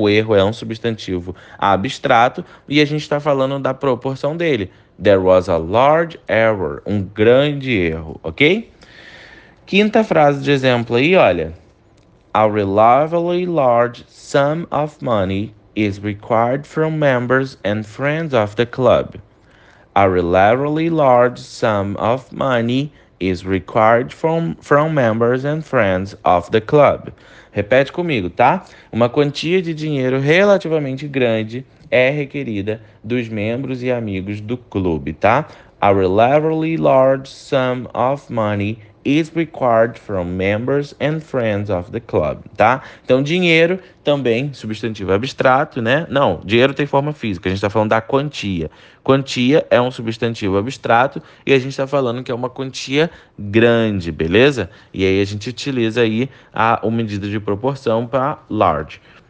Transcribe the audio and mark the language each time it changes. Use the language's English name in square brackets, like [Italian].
[Portuguese] O erro é um substantivo abstrato e a gente está falando da proporção dele. [English] There was a large error, [Portuguese] um grande erro, ok? Quinta frase de exemplo aí, olha. [English] A relatively large sum of money is required from members and friends of the club. A relatively large sum of money is required from members and friends of the club. [Portuguese] Repete comigo, tá? Uma quantia de dinheiro relativamente grande é requerida dos membros e amigos do clube, tá? [English] A relatively large sum of money is required from members and friends of the club, tá? [Portuguese] Então, dinheiro também, substantivo abstrato, né? Não, dinheiro tem forma física, a gente está falando da quantia. Quantia é um substantivo abstrato e a gente está falando que é uma quantia grande, beleza? E aí a gente utiliza aí a medida de proporção para large.